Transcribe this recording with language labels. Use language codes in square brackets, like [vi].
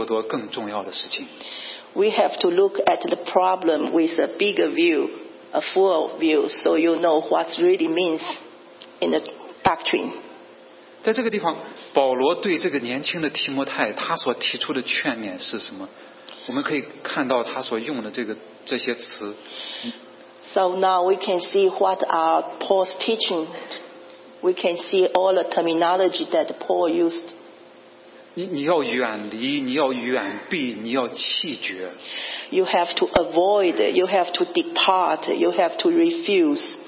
[zh] 因为要在一个更大的一个背景之下，有更大的眼光来看的话，有许许多多更重要的事情。 [en] We have to look at the problem with a bigger view, a full view, so you know what really means in the doctrine. [zh] 在这个地方，保罗对这个年轻的提摩太，他所提出的劝勉是什么？我们可以看到他所用的这些词。 [en] So now we can see what are Paul's teaching. We can see all the terminology that Paul used. [zh] 你要远离，你要远避，你要弃绝。 [en] You have to avoid, you have to depart, you have to refuse.